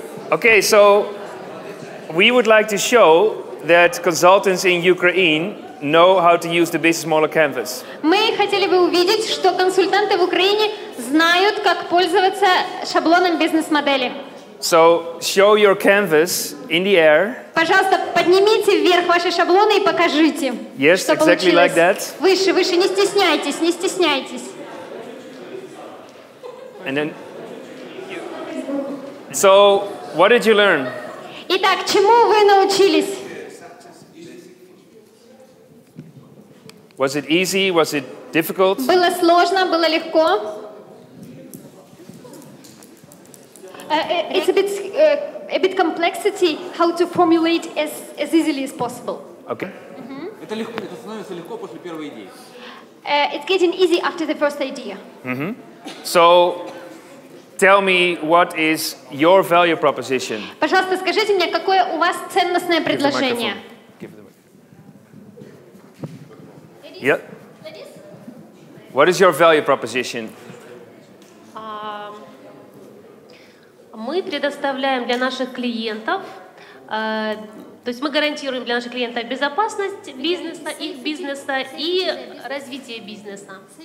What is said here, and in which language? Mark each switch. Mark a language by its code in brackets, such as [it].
[en] Okay, so we would like to show that consultants in Ukraine know how to use the business model canvas. [ru] Мы хотели бы увидеть, что консультанты в Украине знают, как пользоваться шаблоном бизнес-модели. [en] So show your canvas in the air. [ru] Пожалуйста, поднимите вверх ваши шаблоны и покажите. [en] Yes, [ru] что [en] exactly [ru] получилось. [en] Like that. [ru] Выше, выше, не стесняйтесь, не стесняйтесь. [en] And then, so what did you learn? [ru] Итак, чему вы научились? [en] Was it easy? Was it difficult? [ru] Было сложно, было легко. [en] It's a bit complexity how to formulate as easily as possible. Okay. [ru] Это легко, это становится легко после первой идеи. [en] It's getting easy after the first idea. Mm-hmm. So tell me what is your value proposition. [ru] Пожалуйста, скажите мне, какое у вас ценностное предложение? [en] Yep. What is your value proposition? [ru] Мы предоставляем для наших клиентов, то есть мы гарантируем для наших клиентов безопасность бизнеса, их бизнеса и развитие бизнеса.